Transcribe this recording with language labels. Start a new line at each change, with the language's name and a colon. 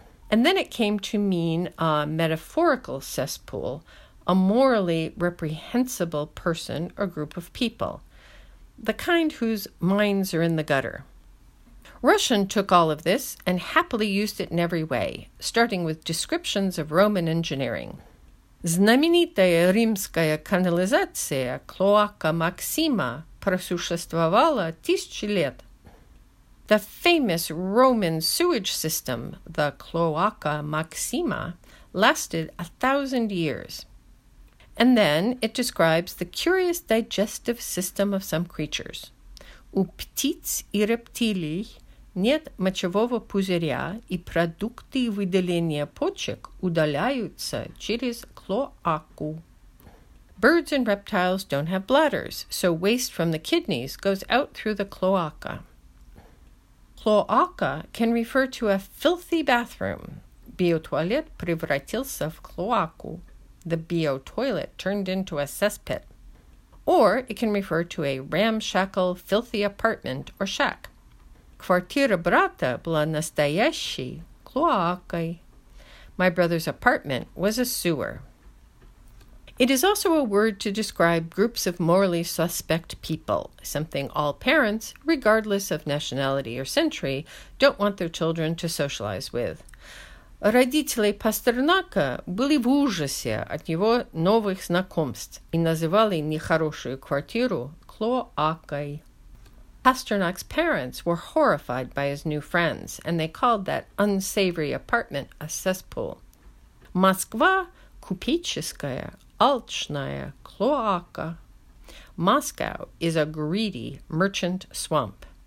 English: And then it came to mean a metaphorical cesspool, a morally reprehensible person or group of people, the kind whose minds are in the gutter. Russian took all of this and happily used it in every way, starting with descriptions of Roman engineering.
Russian: Знаменитая римская канализация Клоака Максима просуществовала тысячи лет.
English: The famous Roman sewage system, the Cloaca Maxima, lasted 1,000 years. And then it describes the curious digestive system of some creatures.
Russian: У птиц и рептилий нет мочевого пузыря, и продукты выделения почек удаляются через клоаку.
English: Birds and reptiles don't have bladders, so waste from the kidneys goes out through the cloaca. Клоака can refer to a filthy bathroom.
Russian: Биотуалет превратился в клоаку.
English: The biotoilet turned into a cesspit. Or it can refer to a ramshackle, filthy apartment or shack.
Russian: Квартира брата была настоящей клоакой.
English: My brother's apartment was a sewer. It is also a word to describe groups of morally suspect people, something all parents, regardless of nationality or century, don't want their children to socialize with.
Russian: Родители Пастернака были в ужасе от его новых знакомств и называли нехорошую квартиру клоакой.
English: Pasternak's parents were horrified by his new friends, and they called that unsavory apartment a cesspool.
Russian: Москва купеческая. Алчная клоака.
English: Moscow is a greedy merchant swamp.